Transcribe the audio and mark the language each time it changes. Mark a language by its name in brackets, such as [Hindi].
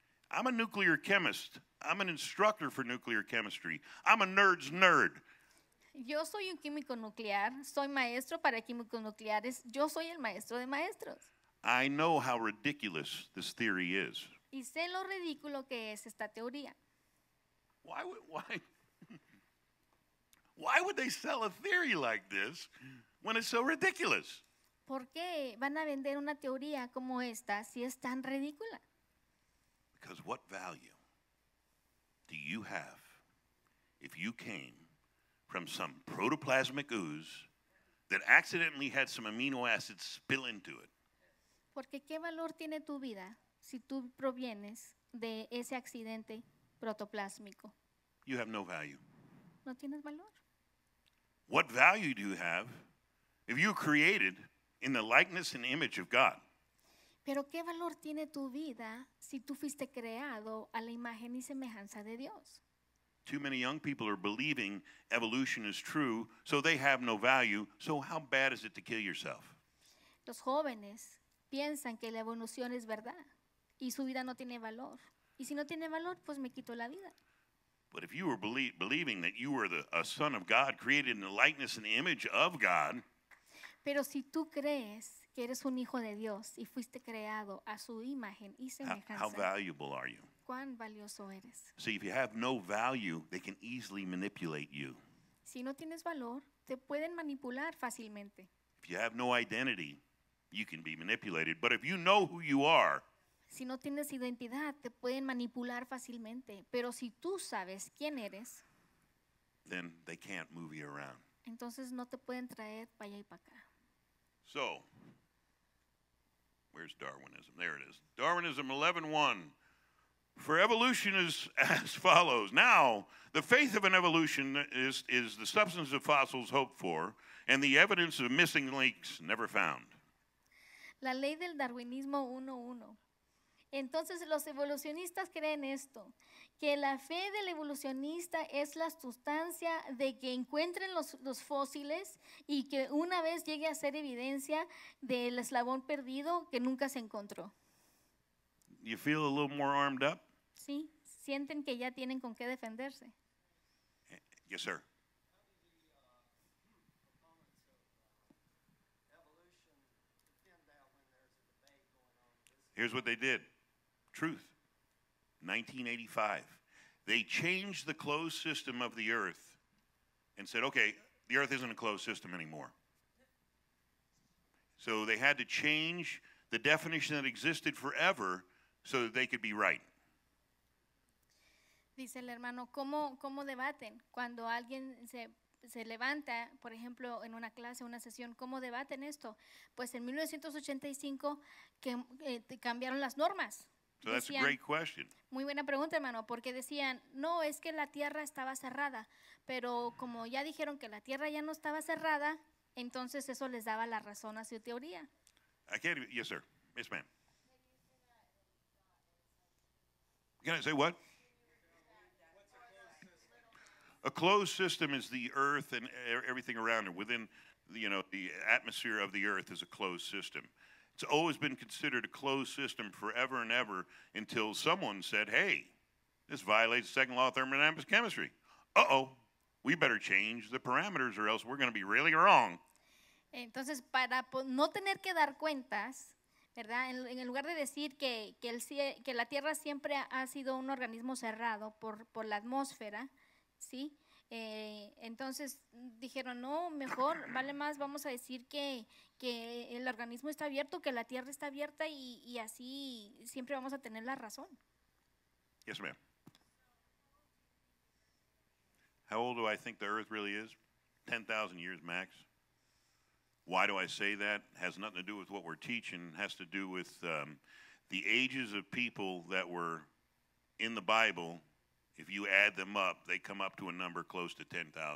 [English] I'm a nuclear chemist. I'm an instructor for nuclear chemistry. I'm a nerd's nerd. [Spanish] Yo soy un químico nuclear. Soy maestro para químicos nucleares. Yo soy el maestro de maestros. [English] I know how ridiculous this theory is. [Spanish] Y sé lo ridículo que es esta teoría. [English] Why would they sell a theory like this when it's so ridiculous? [Spanish] ¿Por qué van a vender una teoría como esta si es tan ridícula? [English] Because what value do you have if you came from some protoplasmic ooze that accidentally had some amino acids spill into it? [Spanish] Porque qué valor tiene tu vida si tú provienes de ese accidente protoplásmico. [English] You have no value. [Spanish] No tienes valor. [English] What value do you have if you're created in the likeness and image of God? [Spanish] Pero qué valor tiene tu vida si tú fuiste creado a la imagen y semejanza de Dios. [English] Too many young people are believing evolution is true, so they have no value. So how bad is it to kill yourself? [Spanish] Los jóvenes piensan que la evolución es verdad y su vida no tiene valor. Y si no tiene valor, pues me quito la vida. [English] But if you were believing that you were a son of God, created in the likeness and image of God. [Spanish] Pero si tú crees que eres un hijo de Dios y fuiste creado a su imagen y semejanza. [English] How valuable are you? [Spanish] ¿Cuán valioso eres? [English] See, if you have no value, they can easily manipulate you. [Spanish] Si no tienes valor, te pueden manipular fácilmente. [English] If you have no identity, you can be manipulated. But if you know who you are, [Spanish] si no tienes identidad, te pueden manipular fácilmente. Pero si tú sabes quién eres, [English] then they can't move you around. [Spanish] Entonces no te pueden traer para allá y para acá. [English] So, where's Darwinism? There it is. Darwinism 11:1. For evolution is as follows. Now, the faith of an evolutionist is the substance of fossils hoped for and the evidence of missing links never found. [Spanish] La ley del Darwinismo 1:1. Entonces, los evolucionistas creen esto, que la fe del evolucionista es la sustancia de que encuentren los fósiles y que una vez llegue a ser evidencia del eslabón perdido que nunca se encontró. [English] You feel a little more armed up? [Spanish] Sí, sienten que ya tienen con qué defenderse. [English] Yes, sir. Here's what they did. Truth. 1985. They changed the closed system of the earth and said, okay, the earth isn't a closed system anymore. So they had to change the definition that existed forever so that they could be right. [Spanish] Dice el hermano, ¿cómo debaten? Cuando alguien se levanta, por ejemplo, en una clase, una sesión, ¿cómo debaten esto? Pues en 1985 que cambiaron las normas. [English] So that's a great question. [Spanish] Muy buena pregunta, hermano, porque decían, no, es que la tierra estaba cerrada, pero como ya dijeron que la tierra ya no estaba cerrada, entonces eso les daba la razón a su teoría. [English] Yes, sir. Yes, ma'am. Can I say what? A closed system is the earth and everything around it. Within, you know, the atmosphere of the earth is a closed system. It's always been considered a closed system forever and ever until someone said, hey, this violates the second law of thermodynamics chemistry. Uh-oh, we better change the parameters or else we're going to be really wrong. [Spanish] Entonces, para no tener que dar cuentas, ¿verdad? En lugar de decir que la Tierra siempre ha sido un organismo cerrado por la atmósfera, ¿sí? Entonces dijeron, no, mejor, vale más, vamos a decir que el organismo está abierto, que la tierra está abierta y así siempre vamos a tener la razón. [English] Yes, ma'am. How old do I think the earth really is? 10,000 years max. Why do I say that? It has nothing to do with what we're teaching. It has to do with the ages of people that were in the Bible. If you add them up, they come up to a number close to 10,000.